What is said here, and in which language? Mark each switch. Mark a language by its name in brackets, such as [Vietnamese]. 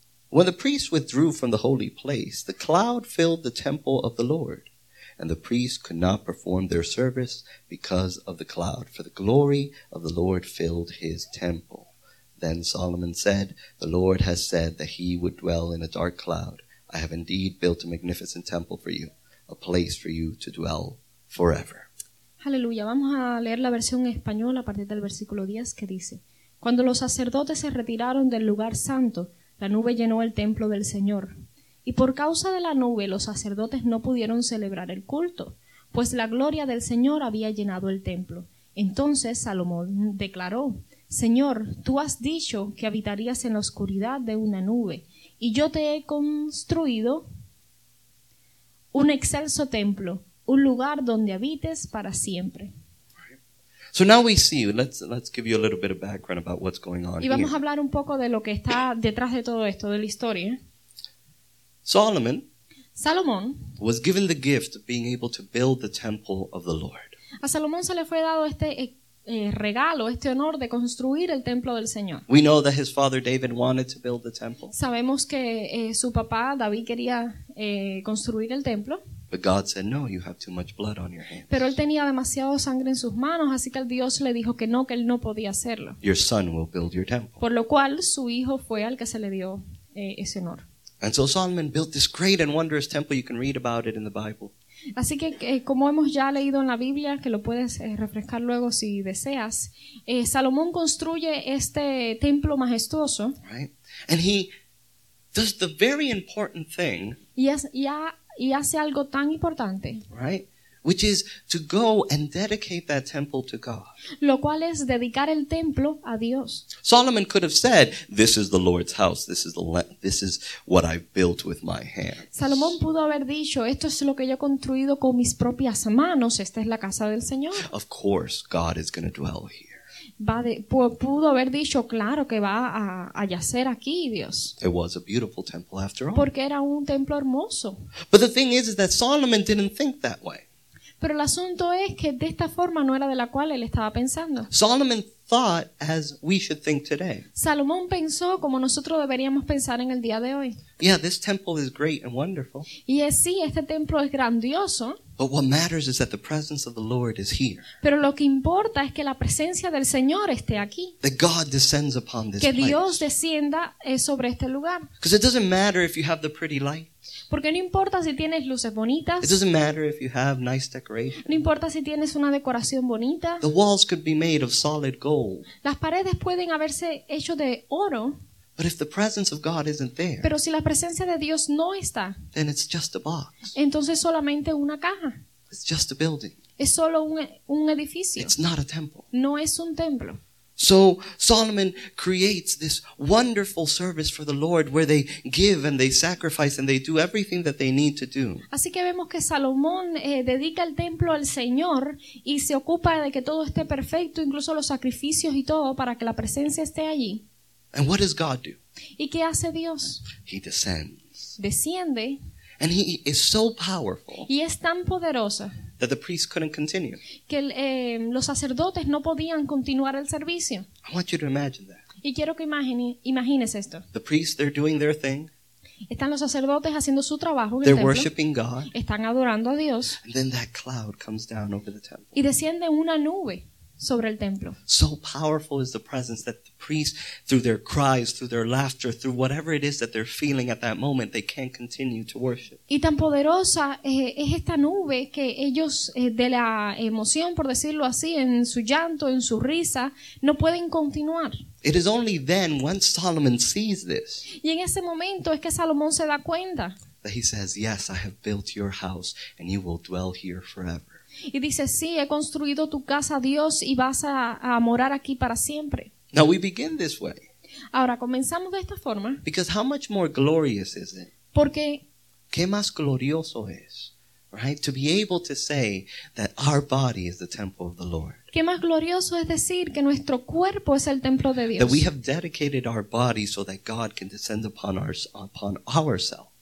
[English] When the priests withdrew from the holy place, the cloud filled the temple of the Lord, and the priests could not perform their service because of the cloud, for the glory of the Lord filled his temple. Then Solomon said, "The Lord has said that he would dwell in a dark cloud. I have indeed built a magnificent temple for you, a place for you to dwell forever." [Spanish] Aleluya. Vamos a leer la versión en español a partir del versículo 10 que dice, "Cuando los sacerdotes se retiraron del lugar santo, la nube llenó el templo del Señor. Y por causa de la nube, los sacerdotes no pudieron celebrar el culto, pues la gloria del Señor había llenado el templo. Entonces Salomón declaró, Señor, tú has dicho que habitarías en la oscuridad de una nube, y yo te he construido un excelso templo, un lugar donde habites para siempre." [English] So now we see, let's give you a little bit of background about what's going on [Spanish] y vamos [English] here. [Spanish] A hablar un poco de lo que está detrás de todo esto, de la historia. [English] Solomon was given the gift of being able to build the temple of the Lord. [Spanish] A Salomón se le fue dado este regalo, este honor de construir el templo del Señor. [English] We know that his father David wanted to build the temple. [Spanish] Sabemos que su papá David quería construir el templo. [English] But God said, "No, you have too much blood on your hands." [Spanish] Pero él tenía demasiado sangre en sus manos, así que el Dios le dijo que no, que él no podía hacerlo. [English] Your son will build your temple. [Spanish] Por lo cual su hijo fue al que se le dio ese honor. [English] And so Solomon built this great and wondrous temple. You can read about it in the Bible. [Spanish] Así que como hemos ya leído en la Biblia, que lo puedes refrescar luego si deseas, Salomón construye este templo majestuoso. [English] Right? And he does the very important thing. [Spanish] Y hace algo tan importante. [English] Right? Which is to go and dedicate that temple to God. [Spanish] Lo cual es dedicar el templo a Dios. [English] Solomon could have said, "This is the Lord's house. This is what I built with my hands." [Spanish] Salomón pudo haber dicho, "Esto es lo que yo he construido con mis propias manos. Esta es la casa del Señor." [English] Of course, God is going to dwell here. [Spanish] Pudo haber dicho, claro que va a yacer aquí Dios. [English] It was a beautiful temple after all. [Spanish] Porque era un templo hermoso. [English] But the thing is that Solomon didn't think that way. [Spanish] Pero el asunto es que de esta forma no era de la cual él estaba pensando. [English] Solomon thought as we should think today. [Spanish] Salomón pensó como nosotros deberíamos pensar en el día de hoy. [English] Yeah, this temple is great and wonderful. [Spanish] Y es, sí, este templo es grandioso. [English] But what matters is that the presence of the Lord is here. [Spanish] Pero lo que importa es que la presencia del Señor esté aquí. [English] That God descends upon this place. [Spanish] Que Dios descienda sobre este lugar. [English] Because it doesn't matter if you have the pretty light. [Spanish] Porque no importa si tienes luces bonitas. [English] It doesn't matter if you have nice decoration. [Spanish] No importa si tienes una decoración bonita. [English] The walls could be made of solid gold. [Spanish] Las paredes pueden haberse hecho de oro. [English] But if the presence of God isn't there, [Spanish] pero si la presencia de Dios no está, [English] then it's just a box. [Spanish] Entonces solamente una caja. [English] It's just a building. [Spanish] Es solo un edificio. [English] It's not a temple. [Spanish] No es un templo. [English] So Solomon creates this wonderful service for the Lord where they give and they sacrifice and they do everything that they need to do. [Spanish] Así que vemos que Salomón dedica el templo al Señor y se ocupa de que todo esté perfecto, incluso los sacrificios y todo, para que la presencia esté allí. [English] And what does God do? [Spanish] ¿Y qué hace Dios? [English] He descends. [Spanish] Desciende. [English] And he is so powerful. [Spanish] Y es tan poderosa. [English] That the priests couldn't continue. [Spanish] Que los sacerdotes no podían continuar el servicio. [English] I want you to imagine that. [Spanish] Y quiero que imagines esto. [English] The priests, they're doing their thing. [Spanish] Están los sacerdotes haciendo su trabajo en el templo. [English] They're worshiping God. [Spanish] Están adorando a Dios. [English] And then that cloud comes down over the temple. [Spanish] Y desciende una nube sobre el templo. [English] So powerful is the presence that the priests, through their cries, through their laughter, through whatever it is that they're feeling at that moment, they can't continue to worship. [Spanish] Y tan poderosa es esta nube que ellos de la emoción, por decirlo así, en su llanto, en su risa, no pueden continuar. [English] It is only then, once Solomon sees this, [Spanish] y en ese momento es que Salomón se da cuenta, [English] that he says, yes, I have built your house and you will dwell here forever. [Spanish] Y dice, sí, he construido tu casa, Dios, y vas a morar aquí para siempre. [English] Now we begin this way. [Spanish] Ahora comenzamos de esta forma. [English] Because how much more glorious is it? [Spanish] Porque ¿qué más glorioso es? [English] Right? To be able to say that our body is the temple of the Lord. [Spanish] ¿Qué más glorioso es decir que nuestro cuerpo es el templo de Dios? [English] That we have dedicated our body so that God can descend upon ourselves.